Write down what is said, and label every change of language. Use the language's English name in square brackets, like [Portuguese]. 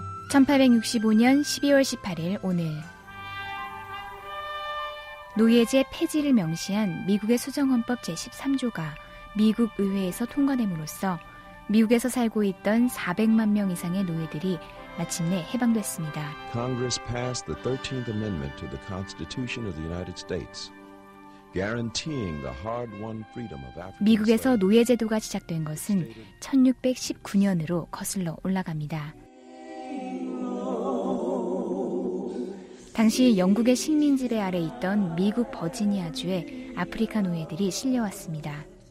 [Korean] 1865년 12월 18일 오늘. 노예제 폐지를 명시한 미국의 수정헌법 제13조가 미국 의회에서 통과됨으로써 미국에서 살고 있던 400만 명 이상의 노예들이 마침내 해방됐습니다. [English] Congress passed the 13th Amendment to the Constitution of the United States, guaranteeing the hard-won freedom of African. [Korean] 미국에서 노예 제도가 시작된 것은 1619년으로 거슬러 올라갑니다. 당시 영국의 식민 지배 아래 있던 미국 버지니아주에 아프리카 노예들이 실려왔습니다.